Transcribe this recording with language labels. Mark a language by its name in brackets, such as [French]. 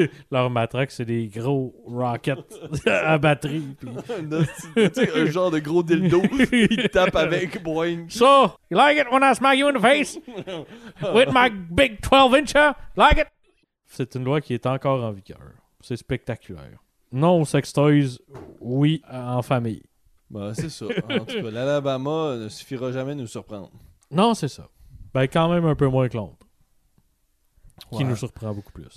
[French] Leur matraque, c'est des gros rockets à batterie. Puis... un genre de gros dildo qui tape avec boing. [English] So, you like it when I smack you in the face? With my big 12-incher? Like it? [French] C'est une loi qui est encore en vigueur. C'est spectaculaire. Non aux sextoys, oui en famille. Ben, c'est ça. En tout cas, l'Alabama ne suffira jamais de nous surprendre. Non, c'est ça. Ben, quand même un peu moins que Londres. Ouais. Qui nous surprend beaucoup plus.